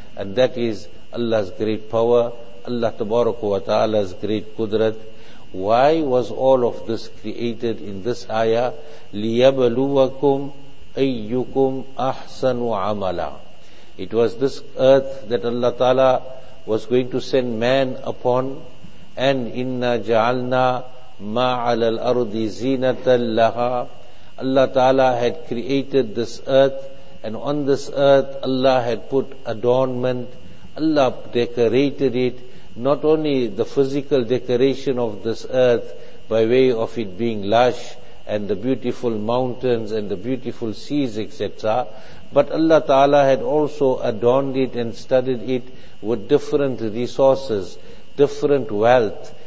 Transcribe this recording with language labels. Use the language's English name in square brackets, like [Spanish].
[English] And that is Allah's great power, Allah Tabaraka wa Ta'ala's great qudrat. Why was all of this created in this ayah? [Arabic] لِيَبَلُوَكُمْ أَيُّكُمْ أَحْسَنُ عَمَلًا. [English] It was this earth that Allah Ta'ala was going to send man upon. [Arabic] And إِنَّا جَعَلْنَا مَا عَلَى الْأَرْضِ زِينَةً لَهَا. [English] Allah Ta'ala had created this earth, and on this earth Allah had put adornment. Allah decorated it, not only the physical decoration of this earth by way of it being lush and the beautiful mountains and the beautiful seas, etc., but Allah Ta'ala had also adorned it and studded it with different resources, different wealth.